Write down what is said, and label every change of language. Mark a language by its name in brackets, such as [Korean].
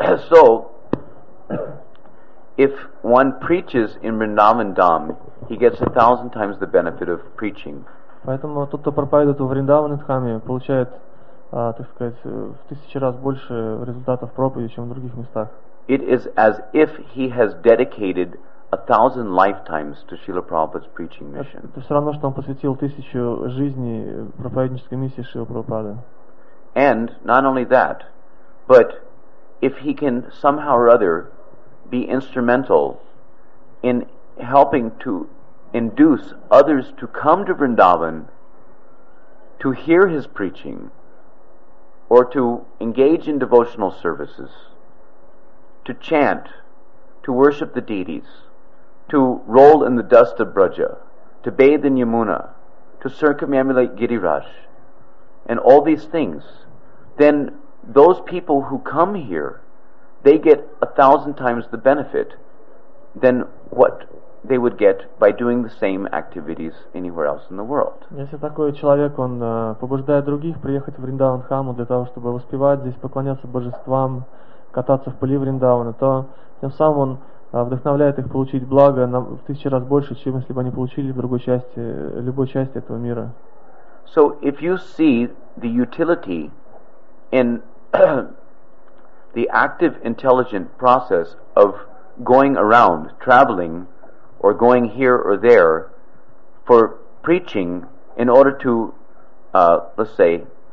[English] So, if one preaches in Vrindavan Dham, he gets a thousand times the benefit of preaching. [Russian] Поэтому тот, кто проповедует во Вриндаване Дхаме, получает так сказать, в тысячи раз больше результатов проповеди, чем в других местах. [English] It is as if he has dedicated 1,000 lifetimes to Srila Prabhupada's preaching mission. [Russian] Это все равно, что он посвятил тысячу жизней проповеднической миссии Шрилы Прабхупады. [English] And not only that, but if he can somehow or other be instrumental in helping to induce others to come to Vrindavan to hear his preaching or to engage in devotional services, to chant, to worship the deities, to roll in the dust of Braja, to bathe in Yamuna, to circumambulate Giriraj, and all these things, then those people who come here, they get 1,000 times the benefit than what they would get by doing the same activities anywhere else in the world. [Russian] Если такой человек, он побуждает других приехать в Вриндаван-хаму для того, чтобы воспевать здесь, поклоняться божествам, кататься в пыли Вриндавана, то тем самым он вдохновляет их получить благо в тысячи раз больше, чем если бы они получили в другой части, любой части этого мира. [English] So if you see the utility in the active intelligent process of going around, traveling, or going here or there for preaching in order to, let's say,